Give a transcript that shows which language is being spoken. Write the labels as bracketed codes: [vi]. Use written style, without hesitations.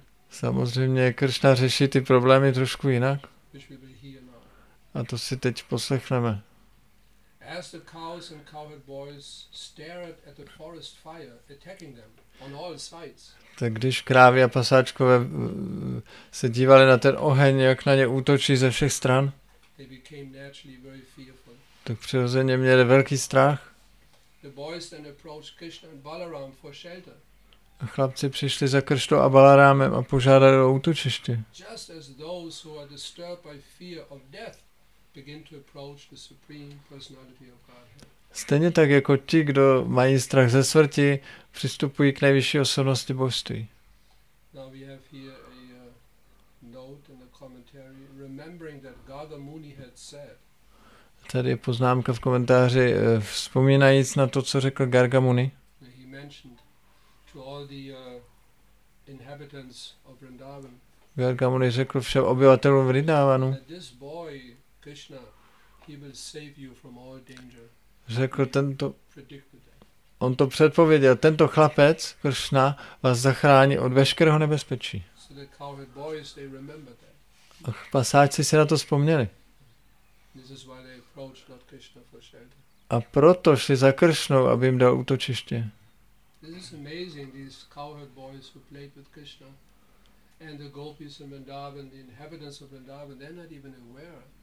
[cs] Samozřejmě Kršna řeší ty problémy trošku jinak. A to si teď poslechneme. [en] As the cows and cowherd boys stared at the forest fire attacking them on all sides. [cs] Tak když krávy a pasáčkové se dívali na ten oheň, jak na ně útočí ze všech stran, [en] they became naturally very fearful. [cs] Tak přirozeně měli velký strach. [en] The boys then approached Krishna and Balaram for shelter. [cs] A chlapci přišli za Krštou a Balarámem a požádali o útočiště. [en] Just as those who are disturbed by fear of death begin to approach the supreme personality of Godhead. [cs] Stejně tak jako ti, kdo mají strach ze smrti, přistupují k nejvyšší osobnosti božství. [en] Now we have here a note in the commentary remembering that Gauda Muni had said. [cs] Tady je poznámka v komentáři vzpomínajíc na to, co řekl Garga Muni. [en] He mentioned to all the inhabitants of Vrindavan. [cs] Garga Muni řekl všem obyvatelům Vrindavanu. [en] This boy Krishna, he will save you from all danger. [cs] Řekl tento, on to předpověděl, tento chlapec, Krishna, vás zachrání od veškerého nebezpečí. [en] So the cowherd boys, they remember that. [cs] A pasáčci si na to vzpomněli. [en] This is why they approached Lord Krishna for shelter. [cs] A proto šli za Kršnou, aby jim dal útočiště. [en] This is amazing, these cowherd boys who played with Krishna and the gopis of Vrindavan, the inhabitants of Vrindavan, they're not even aware.